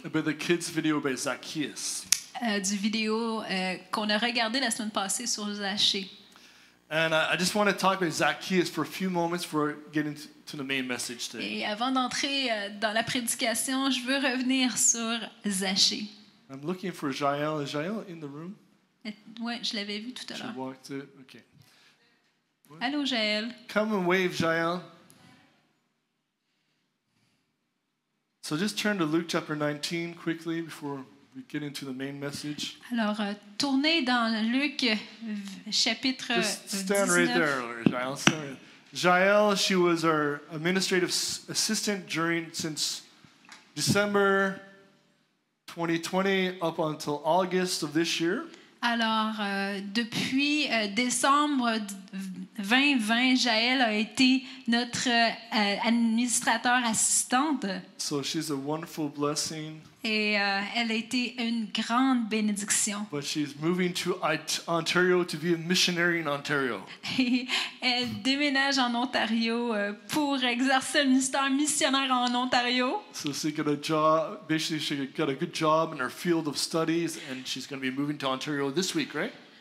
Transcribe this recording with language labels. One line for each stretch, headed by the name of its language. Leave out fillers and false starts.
English: About the kids' video by Zacchaeus.
French: Du vidéo qu'on a regardé la semaine passée sur Zachée.
English: And I just want to talk about Zacchaeus for a few moments before getting to the main message today.
French: Et avant d'entrer dans la prédication, je veux revenir sur Zachée.
English: I'm looking for Jael. Is Jael in the room?
French: Oui, je l'avais vu tout à l'heure.
English: She walked in. Okay.
French: Allô, Jael.
English: Come and wave, Jael. So just turn to Luke chapter 19 quickly before we get into the main message.
French: Alors, tournez dans Luc chapitre 19.
English: Just stand right there, Jael. Sorry. Jael, she was our administrative assistant since December 2020 up until August of this year.
French: Alors, depuis décembre 2020, Jael a été notre administrateur assistante.
English: So she's a wonderful blessing.
French: Et elle a été une grande bénédiction.
English: But she's moving to Ontario to be a missionary in Ontario.
French: Elle déménage en Ontario pour exercer le ministère missionnaire en Ontario.
English: So she got a job. Basically, she got a good job in her field of studies, and she's going to be moving to Ontario this week, right?